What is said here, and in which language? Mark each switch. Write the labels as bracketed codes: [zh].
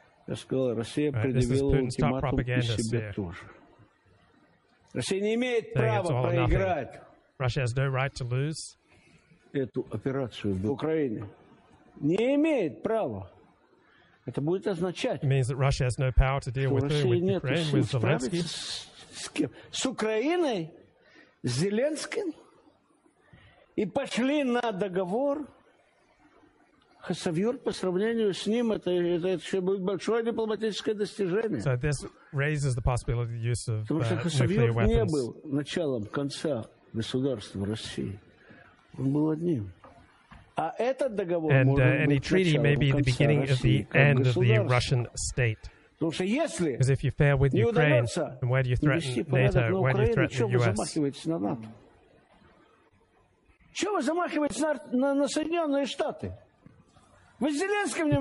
[en] Right, this is Putin's top propaganda sphere. Saying it's all or nothing. Russia has no right to lose this operation in Ukraine. [ru] Не имеет права. Это будет означать. [en] It means that Russia has no power to deal with Ukraine, with Zelensky. [ru] С Украиной, с Зеленским и пошли на договор. Хасавюрт по сравнению с ним это еще будет большое дипломатическое достижение. [en] So this raises the possibility of the use of nuclear weapons. [ru] Потому что Хасавюрт не был началом конца государства России. Он был одним. [en] And any treaty may be the beginning of the end of the Russian state. Because if you fail with Ukraine, then where do you threaten NATO? Where do you threaten the U.S.? You